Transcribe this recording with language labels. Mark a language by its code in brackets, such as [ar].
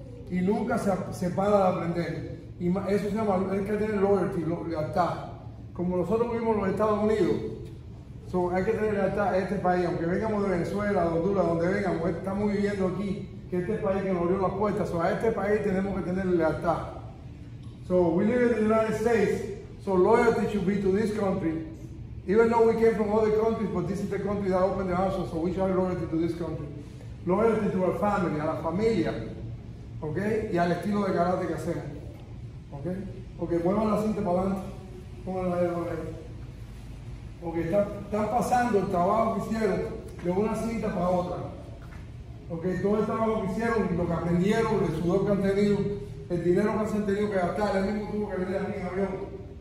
[es] Y nunca se para de aprender. Y eso se llama, hay que tener loyalty, lealtad. Como nosotros vivimos en los Estados Unidos, so, hay que tener lealtad a este país. Aunque vengamos de Venezuela, de Honduras, donde vengamos, estamos viviendo aquí, que este país que nos abrió las puertas. So, a este país tenemos que tener lealtad. [en] So, we live in the United States, so loyalty should be to this country. Even though we came from other countries, but this is the country that opened the house, so we should have loyalty to this country. Loyalty to our family, [es] a la familia, ¿ok? Y al estilo de karate que hacemos, ¿ok? Ok, vuelvan la cinta para adelante. Pónganla ahí, ¿ok? Ok, está pasando el trabajo que hicieron de una cinta para otra. Ok, todo el trabajo que hicieron, lo que aprendieron, el sudor que han tenido, el dinero que han tenido que gastar, el mismo tuvo que venir a mí en avión.